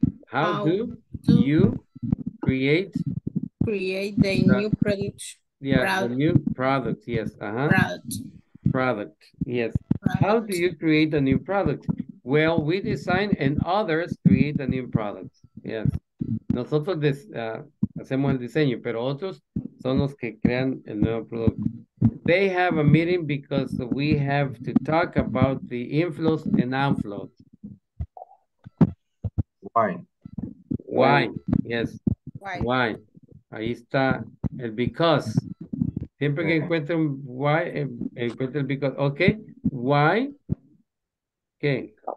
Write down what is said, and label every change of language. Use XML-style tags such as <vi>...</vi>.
<en>How do you create? Create the new product. Yeah, product. The new product. Yes. Uh-huh. Product. Product. Yes. How do you create a new product? Well, we design and others create a new product. Yes.</en> <es>Nosotros hacemos el diseño, pero otros son los que crean el nuevo producto.</es> <en>They have a meeting because we have to talk about the inflows and outflows. Why? Why? Yes. why.</en> <es>Ahí está el</es> <en>because.</en> <es>Siempre que encuentre un why, encuentre el because. Ok. Why. ¿Qué?</es>